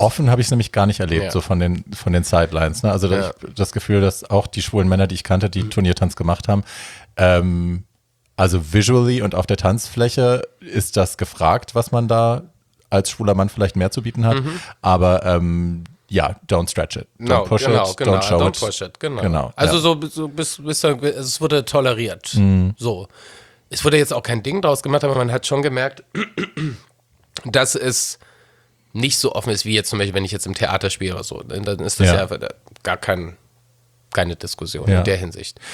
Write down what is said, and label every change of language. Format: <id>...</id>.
<de>Offen habe ich es nämlich gar nicht erlebt, so von den Sidelines. Ne? Also das Gefühl, dass auch die schwulen Männer, die ich kannte, die Turniertanz gemacht haben, also visually und auf der Tanzfläche ist das gefragt, was man da als schwuler Mann vielleicht mehr zu bieten hat.</de> <en>Mhm. Aber don't stretch it. Don't push it, don't show it. Don't push it, genau.</en> <de>Genau. Also so bis es wurde toleriert. Mhm. So. es wurde jetzt auch kein Ding draus gemacht, aber man hat schon gemerkt, dass es nicht so offen ist, wie jetzt zum Beispiel, wenn ich jetzt im Theater spiele oder so. Dann ist das ja, gar keine Diskussion in der Hinsicht.</de>